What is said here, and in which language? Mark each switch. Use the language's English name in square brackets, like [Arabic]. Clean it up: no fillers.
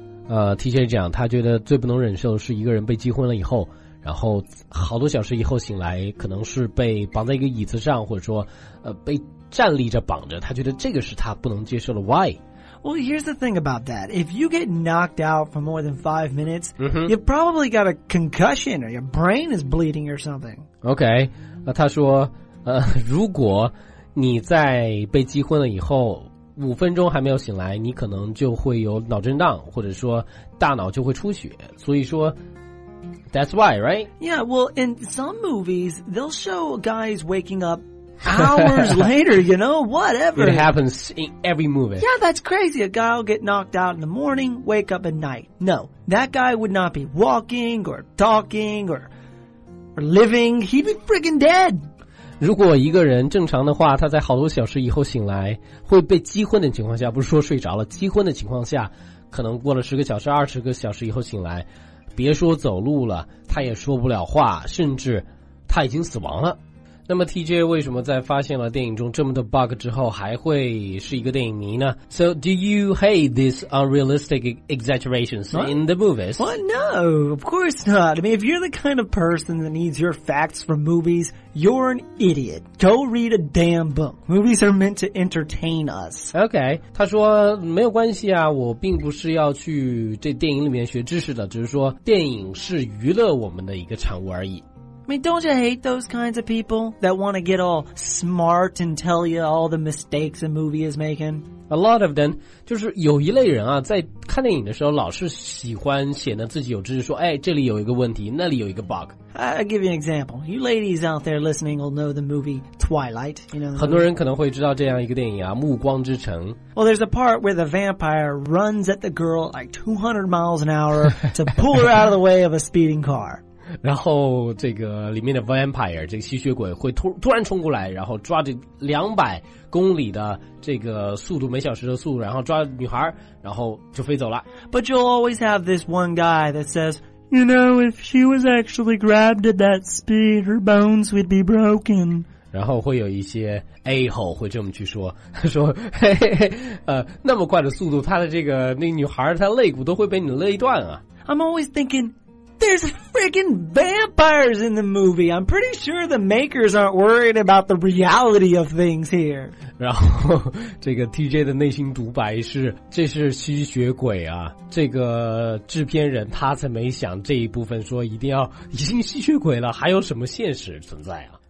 [Chinese] TJ 讲他觉得最不能忍受的是一个人被击昏了以后，然后好多小时以后醒来，可能是被绑在一个椅子上，或者说被站立着绑着，他觉得这个是他不能接受的。 [English] Why? Well, here's the thing about that. If you get knocked out for more than 5 minutes、 mm-hmm. you probably got a concussion or your brain is bleeding or something. [Chinese] Okay, 他说如果你在被击昏了以后五分钟还没有醒来，你可能就会有脑震荡，或者说大脑就会出血。所以说 [English] ，That's why, right? Yeah, well, in some movies, they'll show guys waking up hours later. You know, whatever. It happens in every movie. Yeah, that's crazy. A guy will get knocked out in the morning, wake up at night. No, that guy would not be walking or talking or living. He'd be friggin' dead. [Chinese] 如果一个人正常的话，他在好多小时以后醒来会被击昏的情况下，不是说睡着了，击昏的情况下，可能过了10个小时、20个小时以后醒来，别说走路了，他也说不了话，甚至他已经死亡了。那么 TJ 为什么在发现了电影中这么多 bug 之后还会是一个电影迷呢？ [English] So do you hate these unrealistic exaggerations in the movies? Well, no, of course not. I mean, if you're the kind of person that needs your facts from movies, you're an idiot. Go read a damn book. Movies are meant to entertain us. [Chinese] Okay, 他说没有关系啊，我并不是要去这电影里面学知识的，只是说电影是娱乐我们的一个产物而已。 [English] I mean, don't you hate those kinds of people that want to get all smart and tell you all the mistakes a movie is making? A lot of them. [Chinese] 就是有一类人啊，在看电影的时候老是喜欢显得自己有知识，说哎，这里有一个问题，那里有一个 bug. [English] I'll give you an example. You ladies out there listening will know the movie Twilight. You know, [Chinese] 很多人可能会知道这样一个电影啊，《暮光之城》。 [English] Well, there's a part where the vampire runs at the girl like 200 miles an hour to pull her out of the way of a speeding car. [Chinese] 然后这个里面的 vampire 这个吸血鬼会 突然冲过来，然后抓着200公里的这个速度，每小时的速度，然后抓女孩，然后就飞走了。 [English] But you'll always have this one guy that says, you know, if she was actually grabbed at that speed, her bones would be broken. [Chinese] 然后会有一些 A-hole 会这么去说，说嘿嘿那么快的速度，她的这个那女孩她肋骨都会被你勒一段啊。 [English] I'm always thinkingThere's freaking vampires in the movie. I'm pretty sure the makers aren't worried about the reality of things here. [Chinese] 然后这个 TJ 的内心独白是，这是吸血鬼啊，这个制片人他才没想这一部分，说一定要已经吸血鬼了，还有什么现实存在啊。